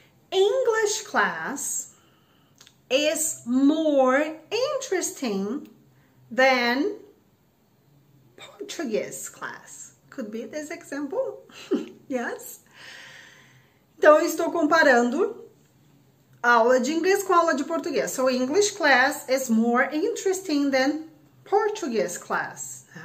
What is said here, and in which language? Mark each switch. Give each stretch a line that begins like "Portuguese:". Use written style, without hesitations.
English: English class is more interesting than Portuguese class. Could be this example? Yes?
Portuguese: Então, eu estou comparando a aula de inglês com a aula de português.
English: So, English class is more interesting than Portuguese class.